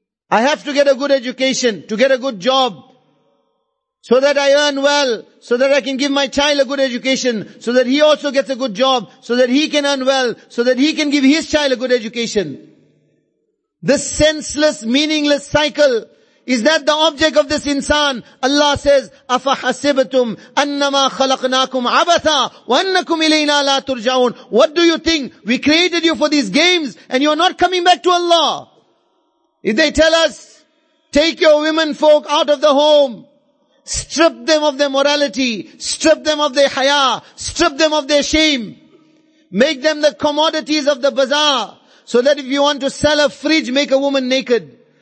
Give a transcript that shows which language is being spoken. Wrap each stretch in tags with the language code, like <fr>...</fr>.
<en>I have to get a good education, to get a good job, so that I earn well, so that I can give my child a good education, so that he also gets a good job, so that he can earn well, so that he can give his child a good education. This senseless, meaningless cycle, is that the object of this insan? Allah says,</en> <ar>أَفَحَسِبْتُمْ أَنَّمَا خَلَقْنَاكُمْ عَبَثًا وَأَنَّكُمْ إِلَيْنَا لَا تُرْجَعُونَ.</ar> <en>What do you think? We created you for these games and you are not coming back to Allah. If they tell us, take your women folk out of the home, strip them of their morality, strip them of their haya, strip them of their shame, make them the commodities of the bazaar, so that if you want to sell a fridge, make a woman naked.</en>